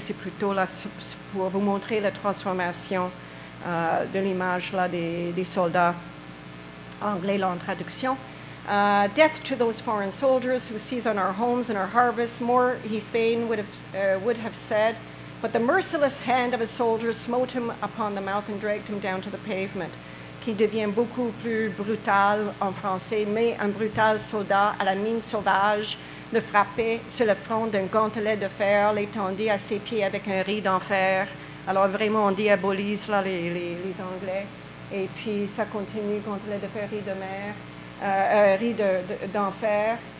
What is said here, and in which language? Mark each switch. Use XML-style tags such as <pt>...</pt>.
<fr>C'est plutôt là pour vous montrer la transformation de l'image là, des soldats anglais là, en traduction.</fr> <en>Death to those foreign soldiers who seize on our homes and our harvests, more he fain would have said, but the merciless hand of his soldiers smote him upon the mouth and dragged him down to the pavement.</en> <fr>qui devient beaucoup plus brutal en français, mais un brutal soldat à la mine sauvage le frappait sur le front d'un gantelet de fer, l'étendit à ses pieds avec un riz d'enfer. Alors vraiment, on diabolise là, les Anglais. Et puis ça continue, gantelet de fer, riz de mer, riz d'enfer.</fr>